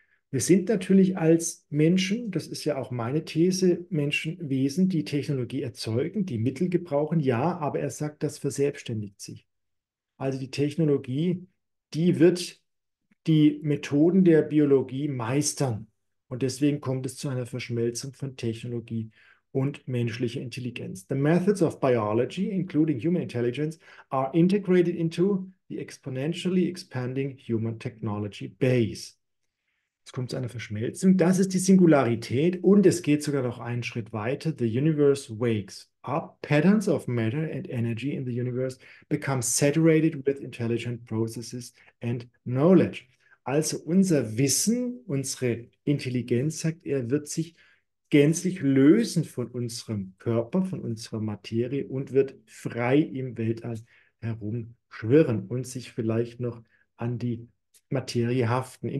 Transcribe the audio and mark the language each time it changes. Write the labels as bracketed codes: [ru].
[de] Wir sind natürlich als Menschen, das ist ja auch meine These, Menschenwesen, die Technologie erzeugen, die Mittel gebrauchen, ja, aber er sagt, das verselbstständigt sich. Also die Technologie, die wird die Methoden der Biologie meistern. Und deswegen kommt es zu einer Verschmelzung von Technologie und menschliche Intelligenz. [en] The methods of biology, including human intelligence, are integrated into the exponentially expanding human technology base. [de] Es kommt zu einer Verschmelzung. Das ist die Singularität und es geht sogar noch einen Schritt weiter. [en] The universe wakes up. Patterns of matter and energy in the universe become saturated with intelligent processes and knowledge. [de] Also unser Wissen, unsere Intelligenz, sagt er, wird sich gänzlich lösen von unserem Körper, von unserer Materie und wird frei im Weltall herumschwirren und sich vielleicht noch an die Materie haften.